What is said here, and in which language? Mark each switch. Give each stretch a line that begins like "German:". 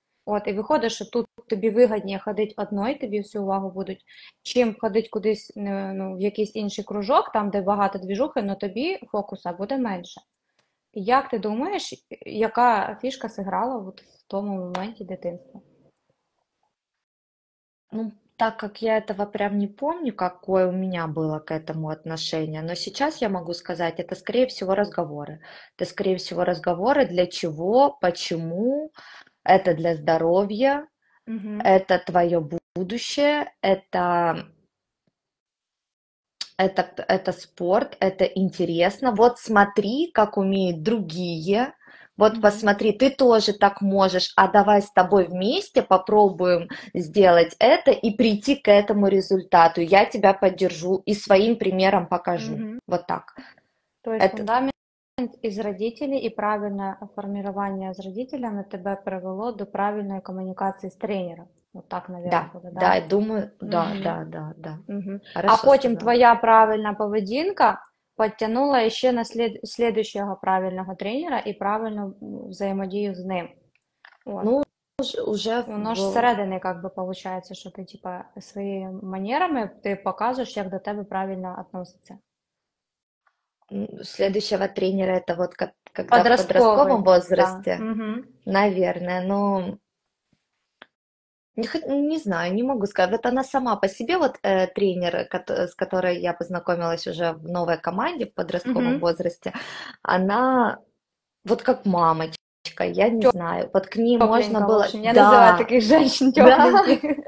Ukrainian: От, і виходить, що тут тобі вигідніше ходити одною, тобі всю увагу будуть, чим ходити кудись, ну, в якийсь інший кружок, там, де багато двіжухи, але тобі фокуса буде менше. Як ти думаєш, яка фішка зіграла от в тому моменті дитинства?
Russian: Ну, так как я этого прям не помню, какое у меня было к этому отношение, но сейчас я могу сказать, это скорее всего разговоры. Это скорее всего разговоры для чего, почему, это для здоровья, это твое будущее, это спорт, это интересно. Вот смотри, как умеют другие. Вот посмотри, ты тоже так можешь, а давай с тобой вместе попробуем сделать это и прийти к этому результату. Я тебя поддержу и своим примером покажу. Вот так. То есть это... фундамент из родителей и правильное формирование с родителями тебя привело до правильной коммуникации с тренером. Вот так, наверное, да, было, да? Да, я думаю, да, да, да, да. Хорошо, а потом твоя правильная поведенка...
Ukrainian: підтягнула ще на слідуючого правильного тренера і правильну взаємодію з ним. От. Ну, вже... Воно ж всередині, як би, виходить, що ти, типа, своїми манерами ти показуєш, як до тебе правильно відноситься. Слідуючого тренера, це от, коли в подростковому возрасті, да.
Russian: Наверное, ну... Не знаю, не могу сказать. Вот она сама по себе, вот тренер, с которой я познакомилась уже в новой команде в подростковом возрасте, она вот как мамочка, я не знаю. Вот к ней можно было... Лучше. Я называю таких женщин тёпленькими.